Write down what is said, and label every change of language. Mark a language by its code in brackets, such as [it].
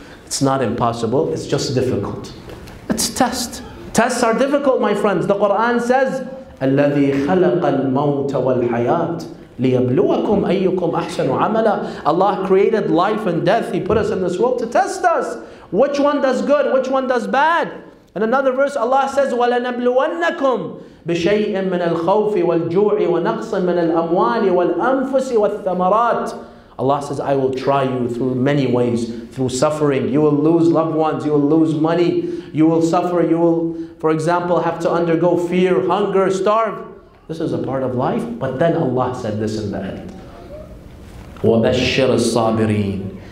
[en] It's not impossible, it's just difficult. It's a test. Tests are difficult, my friends. The Quran says, [ar] الَّذِي خَلَقَ الْمَوْتَ وَالْحَيَاةِ لِيَبْلُوَكُمْ أَيُّكُمْ أَحْسَنُ عَمَلًا. [en] Allah created life and death. He put us in this world to test us. Which one does good? Which one does bad? In another verse, Allah says, [ar] وَلَنَبْلُوَنَّكُمْ بِشَيْءٍ مِّنَ الْخَوْفِ وَالْجُوعِ وَنَقْصٍ مِّنَ الْأَمْوَالِ وَالْأَنفُسِ وَالثَّمَرَاتِ. [en] Allah says, I will try you through many ways, through suffering. You will lose loved ones, you will lose money, you will suffer, you will, for example, have to undergo fear, hunger, starve. This is a part of life. But then Allah said this in the end, [ar] وَبَشِّرِ الصَّابِرِينَ.